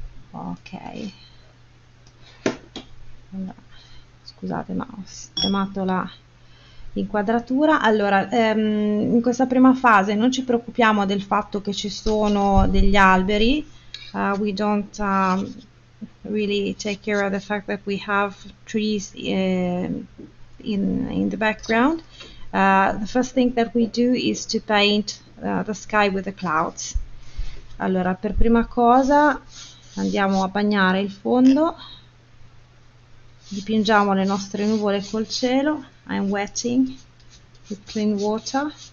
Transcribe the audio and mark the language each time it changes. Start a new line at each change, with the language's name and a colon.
Italian: Ok. Allora. Scusate, ma ho sistemato l'inquadratura. Allora, in questa prima fase non ci preoccupiamo del fatto che ci sono degli alberi.
English: We don't really take care of the fact that we have trees in the background. The first thing that we do is to paint the sky with the clouds.
Italian: Allora, per prima cosa andiamo a bagnare il fondo. Dipingiamo le nostre nuvole col cielo.
English: I'm wetting with clean water.